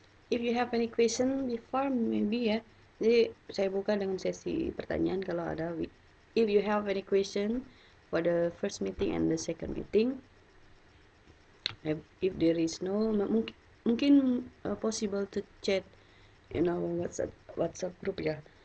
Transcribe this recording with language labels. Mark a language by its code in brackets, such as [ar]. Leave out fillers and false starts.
[en] If you have any question before, maybe ya. [id] Jadi saya buka dengan sesi pertanyaan kalau ada. [en] If you have any question for the first meeting and the second meeting, if there is no, mungkin possible to chat in our WhatsApp group ya.